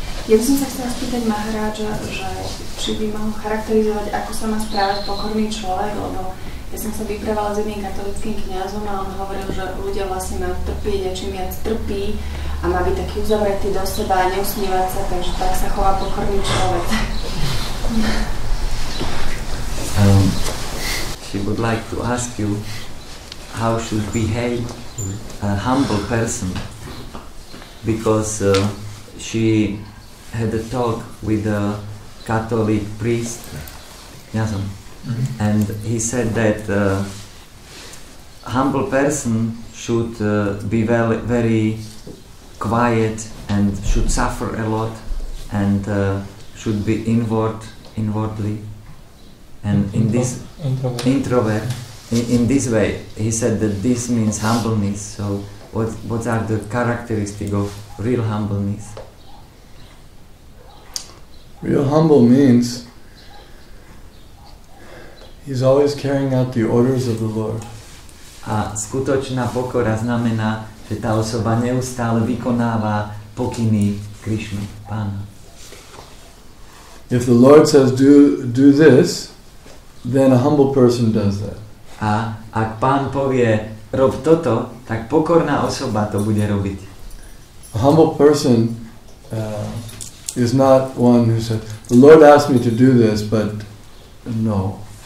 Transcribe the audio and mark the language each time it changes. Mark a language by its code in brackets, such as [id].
[sk] Ja by som sa chcela spýtať Maharáča, že či by mal charakterizovať, ako sa má správať pokorný človek, lebo ja som sa vyprávala s jedným katolickým kňazom a on hovoril, že ľudia vlastne majú trpieť a čím viac trpí a má byť taký uzavretý do seba a neusmívať sa, takže tak sa chová pokorný človek. [en] She would like to ask you how should behave a humble person, because she had a talk with a Catholic priest, Kňazom. And he said that humble person should be very, very quiet and should suffer a lot and should be inwardly and in this introvert. In this way, he said that this means humbleness. So, what are the characteristics of real humbleness? Real humble means he's always carrying out the orders of the Lord. [sk] A skutočná pokora znamená, že tá osoba neustále vykonáva pokyny Krishna, Pána. [en] If the Lord says do this, then a humble person does that. [sk] A ak Pán povie rob toto, tak pokorná osoba to bude robiť. [en] A humble person is not one who said, the Lord asked me to do this, but no.